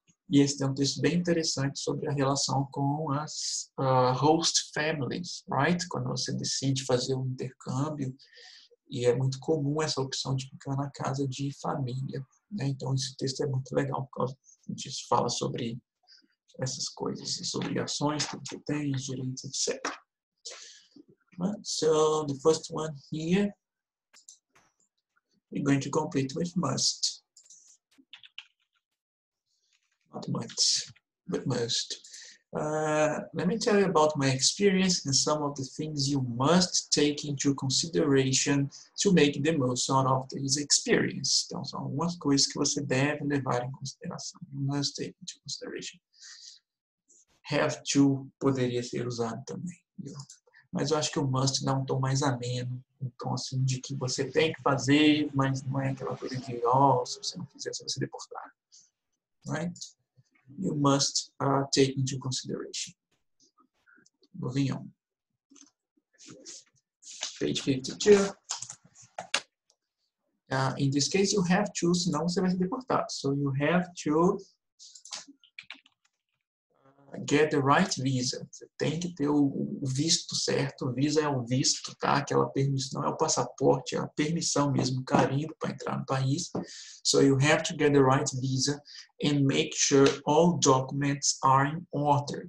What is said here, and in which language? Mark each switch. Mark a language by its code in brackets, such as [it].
[pt] E esse tem um texto bem interessante sobre a relação com as host families, right? Quando você decide fazer um intercâmbio, e é muito comum essa opção de ficar na casa de família, né? Então, esse texto é muito legal, porque a gente fala sobre essas coisas, as obrigações que você tem, os direitos, etc. [en] So, the first one here, we're going to complete with must. Not much, but most. Let me tell you about my experience and some of the things you must take into consideration to make the most out of this experience. [pt] Então, são algumas coisas que você deve levar em consideração. [en] You must take into consideration. [pt] Have to poderia ser usado também. Viu? Mas eu acho que o must dá um tom mais ameno. Um tom assim de que você tem que fazer, mas não é aquela coisa de, oh, se você não fizer, você vai ser deportado. [en] Right? You must take into consideration. Moving on. Page 52. In this case, you have to, [pt] senão você vai ser deportado. [en] So you have to get the right visa. [pt] Você tem que ter o visto certo. O visa é o visto, tá? Aquela permissão, não é o passaporte, é a permissão mesmo, carimbo para entrar no país. [en] So you have to get the right visa and make sure all documents are in order.